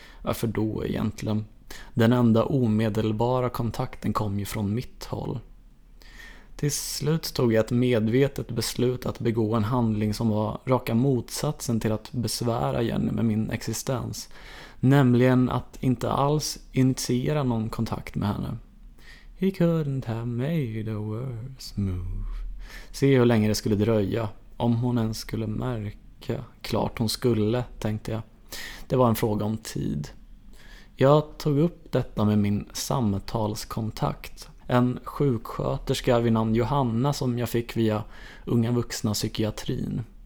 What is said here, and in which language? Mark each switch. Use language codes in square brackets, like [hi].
[sv] Varför då egentligen? Den enda omedelbara kontakten kom ju från mitt håll. Till slut tog jag ett medvetet beslut att begå en handling som var raka motsatsen till att besvära Jenny med min existens. Nämligen att inte alls initiera någon kontakt med henne. [en] He couldn't have made a worse move. [sv] Se hur länge det skulle dröja. Om hon ens skulle märka. Klart hon skulle, tänkte jag. Det var en fråga om tid. Jag tog upp detta med min samtalskontakt. En sjuksköterska vid namn Johanna som jag fick via unga vuxna psykiatrin.